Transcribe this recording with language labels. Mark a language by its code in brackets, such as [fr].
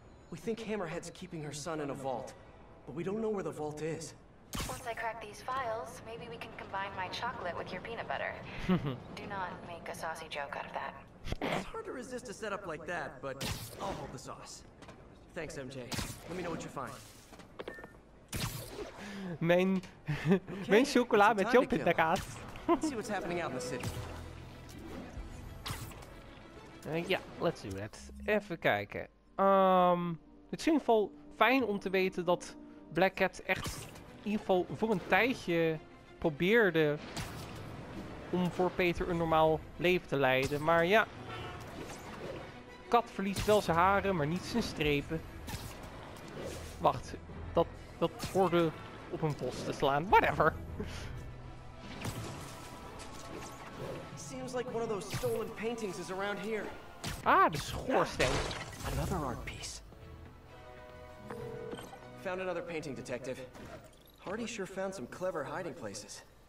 [en] We think Hammerhead's keeping her son in a vault, but we don't know where the vault is. Once I crack these files, maybe we can combine my chocolate with your peanut butter. Do not make a saucy joke out of that. It's hard to resist a setup like that, but I'll hold the sauce. Thanks, MJ. Let me know what you find. [nl] Mijn, okay, mijn chocola met jouw pindakaas. [en] See what's happening out in the city. Yeah, let's do that. [nl] Even kijken. Het is in ieder geval fijn om te weten dat Black Cat echt in ieder geval voor een tijdje probeerde om voor Peter een normaal leven te leiden. Maar ja, Kat verliest wel zijn haren, maar niet zijn strepen. Wacht, dat hoorde op een bos te slaan. [en] Whatever. Seems like one of those stolen paintings is around here. [nl] Ah, de schoorsteen. [en] Another art piece. Found another painting, detective. Hardy sure found some clever hiding places.